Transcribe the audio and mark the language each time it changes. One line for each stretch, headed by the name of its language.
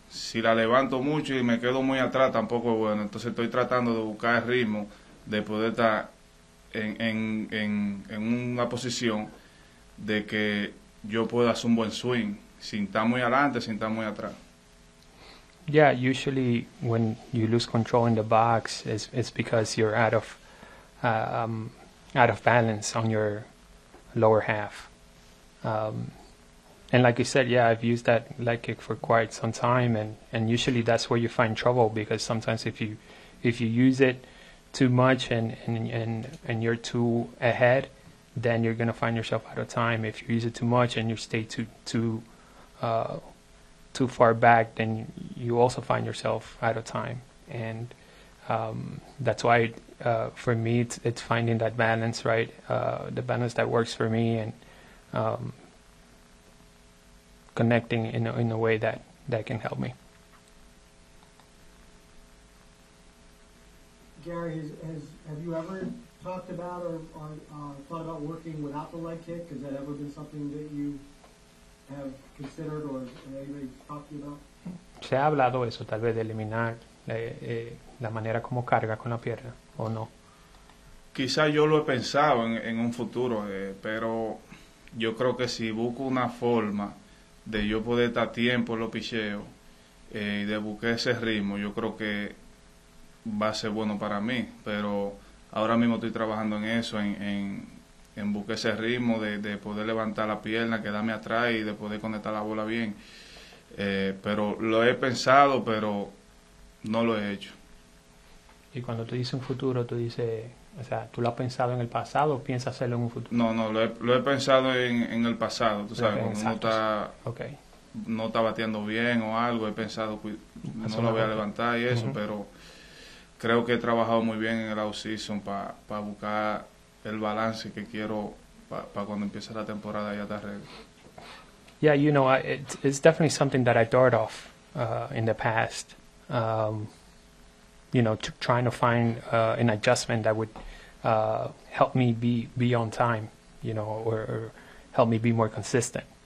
Spanish: Si la levanto mucho y me quedo muy atrás, tampoco es bueno. Entonces estoy tratando de buscar el ritmo de poder estar en una posición de que yo pueda hacer un buen swing, sin estar muy adelante, sin estar muy atrás.
English: Yeah, usually when you lose control in the box, it's because you're out of balance on your lower half. And like you said, yeah, I've used that leg kick for quite some time, and usually that's where you find trouble, because sometimes if you use it too much and you're too ahead, then you're gonna find yourself out of time. If you use it too much and you stay too far back, then you also find yourself out of time. And that's why for me it's finding that balance, right? The balance that works for me, and connecting in a way that can help me. Gary, have you ever talked about or thought about working without the leg kick? Has that ever been something that you have considered or anybody talked to you about?
Spanish: Se ha hablado eso, tal vez, de eliminar la manera como carga con la pierna, o no. Quizás yo lo he pensado en un futuro, pero yo creo que si busco una forma de yo poder estar tiempo en los picheos y de buscar ese ritmo, yo creo que va a ser bueno para mí. Pero ahora mismo estoy trabajando en eso, en buscar ese ritmo de poder levantar la pierna, quedarme atrás y de poder conectar la bola bien. Pero lo he pensado, pero no lo he hecho. Y cuando tú dices un futuro, tú dices, o sea, ¿tú lo has pensado en el pasado o piensas hacerlo en un futuro? No, lo he pensado en el pasado, tú sabes, cuando uno está, okay, no está bateando bien o algo, he pensado, no lo voy a levantar y eso, pero creo que he trabajado muy bien en el off-season para buscar el balance que quiero para cuando empiece la temporada ya estar ready.
English: Yeah, you know, it's definitely something that I thought of in the past. You know, trying to find an adjustment that would help me be on time, you know, or help me be more consistent.